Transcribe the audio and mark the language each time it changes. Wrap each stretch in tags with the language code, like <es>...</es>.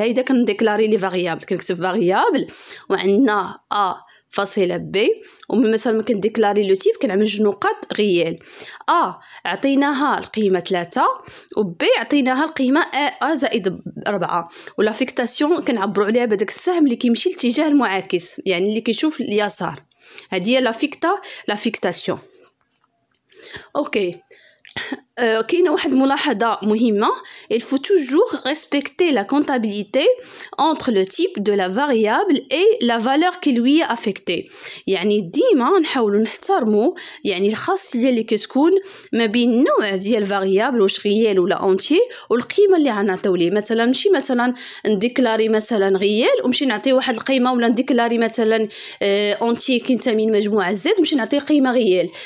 <ar>هيدا كنديكلاري لي فاريابل، كنكتب فاريابل وعندنا ا فاصلة بي، ومثلا ما كنديكلاري لو تيب كنعمل جوج نقط ريال. ا عطيناها القيمه 3 وبي عطيناها القيمه ا زائد 4. ولافيكتاسيون كنعبروا عليها بداك السهم اللي كيمشي الاتجاه المعاكس، يعني اللي كيشوف اليسار. هادي هي لافيكتاسيون.</ar> <fr>اوكي، كاينه واحد الملاحظه مهمه، il faut toujours respecter la comptabilité entre le type de la variable et la valeur qui lui est affectée.</fr> <ar>يعني ديما نحاولوا نحترموا يعني الخاصيه اللي كتكون ما بين النوع ديال الفاريابل، واش ريال ولا اونتيي، والقيمه اللي غنعطيو ليه. مثلا نمشي مثلا نديكلاري مثلا ريال ومشي نعطي واحد القيمه، ولا نديكلاري مثلا اونتيي كينتمي لمجموعه زيد ومشي نعطي قيمه ريال.</ar>